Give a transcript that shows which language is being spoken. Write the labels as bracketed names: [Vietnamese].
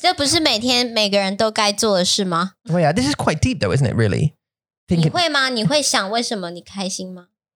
[Chinese] 这不是每天每个人都该做的事吗? [English] Well, yeah, this is quite deep though, isn't it, really? [Chinese] Thinking, 你会吗? 你会想为什么你开心吗?